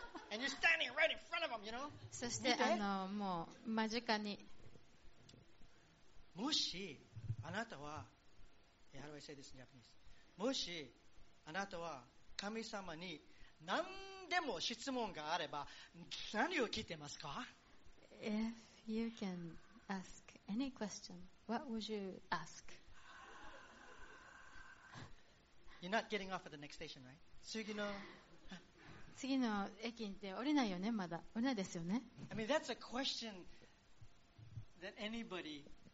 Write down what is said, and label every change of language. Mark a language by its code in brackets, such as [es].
[en] And you're standing right in front of them, you know. [ja] そしてもう間近に。もし。あなたは、 [en] How do I say this in Japanese? [ja] もしあなたは神様に何でも質問があれば何を聞いてますか？ [en] If you can ask any question, what would you ask? You're not getting off at the next station, right? [ja] 次の次の駅って降りないよね、まだ降りないですよね。 [en] I mean, that's a question that anybody...